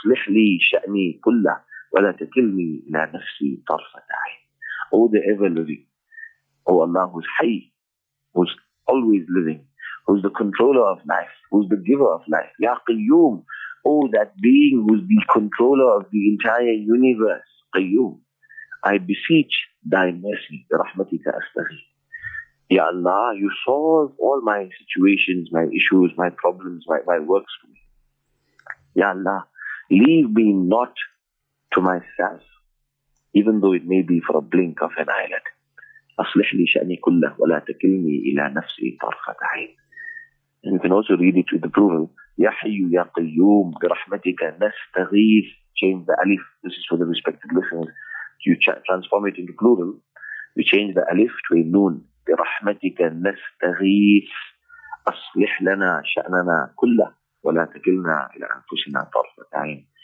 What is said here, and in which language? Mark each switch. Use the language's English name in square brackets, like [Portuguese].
[Arabic] اصلح لي شأني كله ولا تكلني إلى نفسي طرفة عين. [English] Oh, the ever-living. Oh, Allah, who's Hay, who's always living, who's the controller of life, who's the giver of life. Ya Qayyum. Oh, that being who's the controller of the entire universe, Qayyum. I beseech thy mercy, [Arabic] rahmatika astaghi. [English] Ya Allah, you solve all my situations, my issues, my problems, my works for me. Ya Allah, leave me not to myself, even though it may be for a blink of an eyelid. [Arabic] أصلح لي شأني كله ولا تكلني إلى نفسي طرفة عين. [English] And you can also read it with the plural. [Arabic] Ya Hayyu Ya Qayyum برحمتك نستغيث. [English] Change the alif. This is for the respected listeners. You transform it into plural. You change the alif to a noon. [Arabic] برحمتك نستغيث. أصلح لنا شأننا كله ولا تكلنا إلى أنفسنا طرفة عين.